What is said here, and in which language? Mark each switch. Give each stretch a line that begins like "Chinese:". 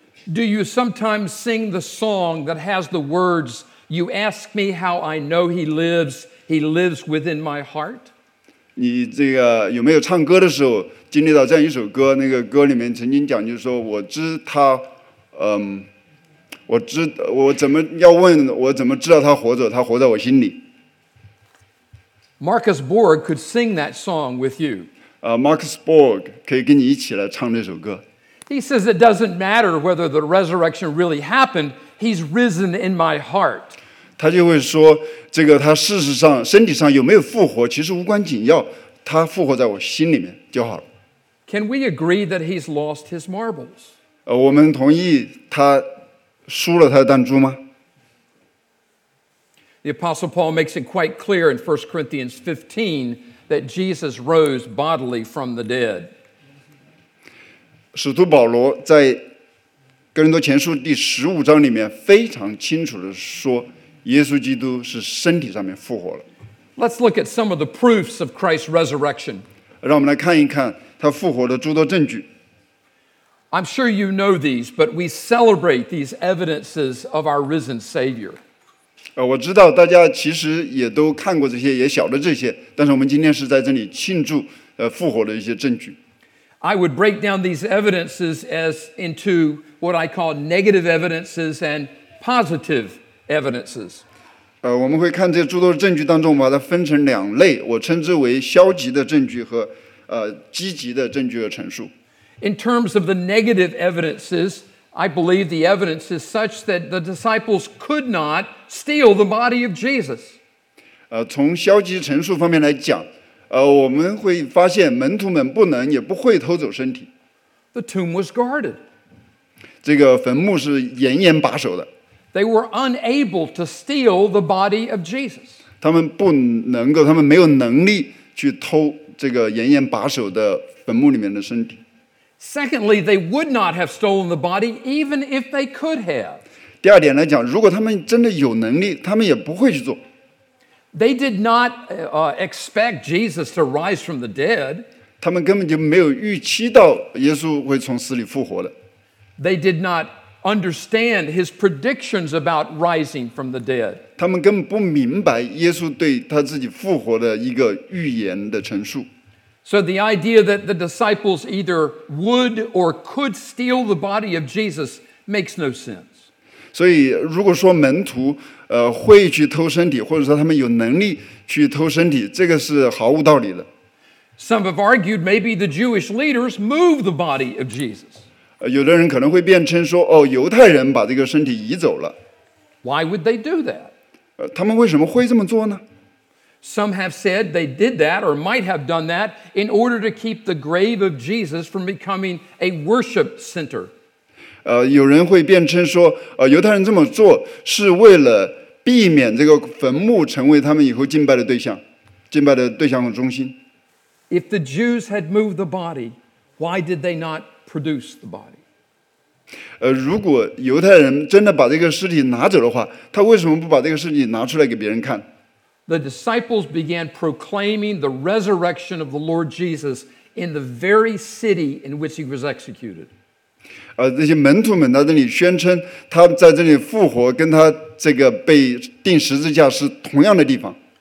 English: Do you sometimes sing the song that has the words You ask me how I know he lives within my heart?
Chinese: 你这个有没有唱歌的时候经历到这样一首歌，那个歌里面曾经讲，就是说我知他，我怎么知道他活着，他活在我心里。
English: Marcus Borg could sing that song with you.
Chinese: Marcus Borg 可以跟你一起来唱这首歌。
English: He says it doesn't matter whether the resurrection really happened. He's risen in my heart.
Chinese: 他就会说，这个他事实上身体上有没有复活，其实无关紧要，他复活在我心里面就好了。
English: Can we agree that he's lost his marbles?
Chinese: 我们同意他输了他的弹珠吗?
English: The Apostle Paul makes it quite clear in 1 Corinthians 15 that Jesus rose bodily from the dead.
Chinese: 使徒保罗在哥林多前书第十五章里面非常清楚地说，耶稣基督是身体上面复活了。
English: Let's look at some of the proofs of Christ's resurrection.
Chinese: 让我们来看一看他复活的诸多证据。
English: I'm sure you know these, but we celebrate these evidences of our risen Savior.
Chinese: 我知道大家其实也都看过这些，也晓得这些，但是我们今天是在这里庆祝复活的一些证据。
English: I would break down these evidences as into what I call negative evidences and positive evidences.
Chinese: 我们会看这诸多证据当中，把它分成两类，我称之为消极的证据和积极的证据和陈述。
English: In terms of the negative evidences, I believe the evidence is such that the disciples could not steal the body of Jesus.
Chinese: 从消极陈述方面来讲，我们会发现门徒们不能也不会偷走身体。
English: The tomb was guarded.
Chinese: 这个坟墓是严严把守的。
English: They were unable to steal the body of Jesus.
Chinese: 他们不能够，他们没有能力去偷这个严严把守的坟墓里面的身体。
English: Secondly, they would not have stolen the body even if they could have.
Chinese: 第二点来讲，如果他们真的有能力，他们也不会去做。
English: They did not expect Jesus to rise from the dead.
Chinese: 他们根本就没有预期到耶稣会从死里复活的。
English: They did not understand his predictions about rising from the dead.
Chinese: 他们根本不明白耶稣对他自己复活的一个预言的陈述。
English: So the idea that the disciples either would or could steal the body of Jesus makes no sense.
Chinese: 所以如果说门徒会去偷身体，或者说他们有能力去偷身体，这个是毫无道理的。
English: Some have argued maybe the Jewish leaders moved the body of Jesus.
Chinese: 有的人可能会辩称说，哦，犹太人把这个身体移走了。
English: Why would they do that?
Chinese: 他们为什么会这么做呢？
English: Some have said they did that or might have done that in order to keep the grave of Jesus from becoming a worship center.
Chinese: 有人会辩称说，犹太人这么做是为了避免这个坟墓成为他们以后敬拜的对象，敬拜的对象和中心。
English: If the Jews had moved the body, why did they not produce the body?
Chinese: 如果犹太人真的把这个尸体拿走的话，他为什么不把这个尸体拿出来给别人看？
English: The disciples began proclaiming the resurrection of the Lord Jesus in the very city in which he was executed.
Chinese: 那些门徒们在这里宣称他在这里复活，跟他这个被钉十字架是同样的地方。